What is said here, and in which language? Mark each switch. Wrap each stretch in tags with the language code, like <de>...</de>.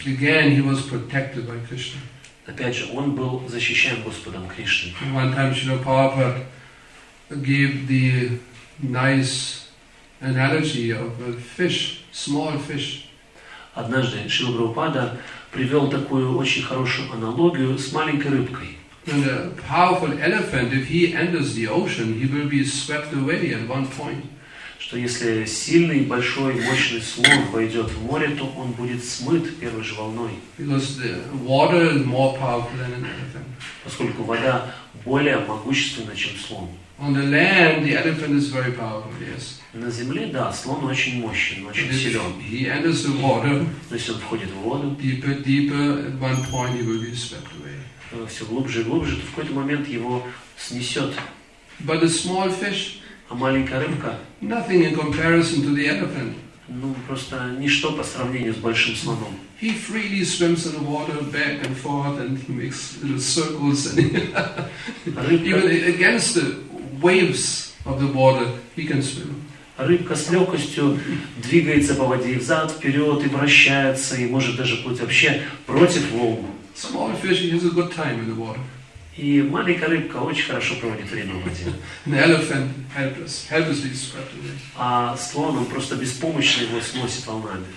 <en>Again he was protected by Krishna.</en> <ru>Опять же, он был защищен Господом Кришной.</ru> <en>One time Srila Prabhupada gave the nice analogy of a fish, small fish.</en> <ru>Однажды Шрила Прабхупада привел такую очень хорошую аналогию с маленькой рыбкой.</ru> <en>And a powerful elephant, if he enters the ocean, he will be swept away at one point.</en> <ru>Что если сильный, большой, мощный слон войдет в море, то он будет смыт первой же волной.</ru> <en>Because the water is more powerful than an elephant.</en> <ru>Поскольку вода более могущественна, чем слон.</ru> <en>On the land, the elephant is very powerful, yes.</en> <ru>На земле, да, слон очень мощен, очень силен.</ru> <en>He enters the water.</en> <ru>То есть он входит в воду.</ru> <en>Deeper, deeper, at one point he will be swept away.</en> <ru>Все глубже и глубже, то в какой-то момент его снесет.</ru> <en>But the small fish.</en> <ru>А маленькая рыбка.</ru> <en>Nothing in comparison to the elephant.</en> <ru>Ну просто ничто по сравнению с большим слоном.</ru> <en>He freely swims in the water back and forth and he makes little circles and even against the waves of the water he can swim.</en> <ru>Рыбка с легкостью двигается по воде взад, вперед и вращается, и может даже плыть вообще против волн.</ru> <en>Small fish has a good time in the water.</en> <ru>И маленькая рыбка очень хорошо проводит время в воде.</ru> <en>An elephant helplessly swept away.</en> <ru>А слон он просто беспомощно его сносит волнами.</ru>